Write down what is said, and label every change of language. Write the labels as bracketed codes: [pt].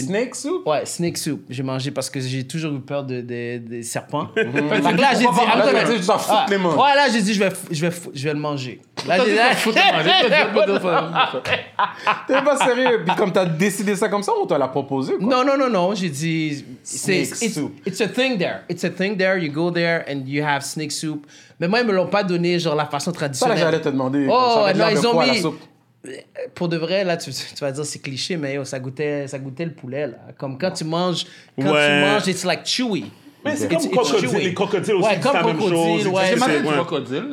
[en] snake soup. [fr] Ouais, [en] snake soup, [fr] j'ai mangé parce que j'ai toujours eu peur de serpents. Mm-hmm. Fait que là j'ai dit attends, tu vas foutre les mains. Ouais, là j'ai dit je vais le manger. Là t'as j'ai foutre les mains. T'es pas sérieux? Puis comme t'as décidé ça comme ça ou t'as la proposé quoi? Non, j'ai dit [en] it's a thing there, you go there and you have snake soup. [fr] Mais moi, ils me l'ont pas donné, genre, la façon traditionnelle. Ça, là, j'allais te demander. Oh, non, ils ont mis... La soupe. Pour de vrai, là, tu vas dire, c'est cliché, mais yo, ça goûtait le poulet, là. Comme quand tu manges, [en] it's like chewy. [fr] Mais c'est comme crocodile. Chewy. Les crocodiles aussi, ouais, comme c'est la crocodile, même chose. Ouais. J'ai mangé du crocodile.